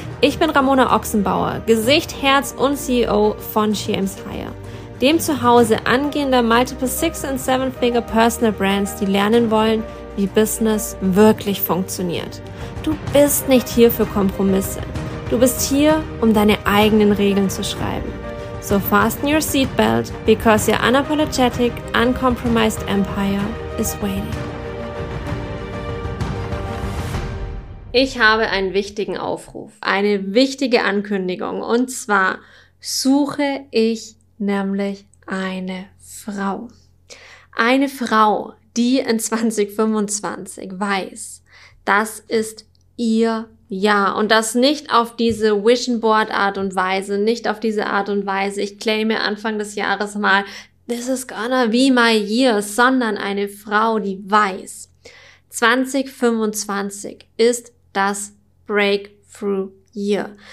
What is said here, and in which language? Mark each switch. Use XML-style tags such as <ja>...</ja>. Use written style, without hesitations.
<de>Ich bin Ramona Ochsenbauer, Gesicht, Herz und CEO von Shams Higher, dem Zuhause angehender Multiple Six- and Seven-Figure Personal Brands, die lernen wollen, wie Business wirklich funktioniert. Du bist nicht hier für Kompromisse. Du bist hier, um deine eigenen Regeln zu schreiben.</de> <en>So fasten your seatbelt, because your unapologetic, uncompromised empire is waiting.</en> <de>Ich habe einen wichtigen Aufruf, eine wichtige Ankündigung, und zwar suche ich nämlich eine Frau. Eine Frau, die in 2025 weiß, das ist ihr ja, und das nicht auf diese Vision Board Art und Weise, nicht auf diese Art und Weise, ich claime Anfang des Jahres mal,</de> <en>this is gonna be my year,</en> <de>sondern eine Frau, die weiß, 2025 ist das Breakthrough Year.</de>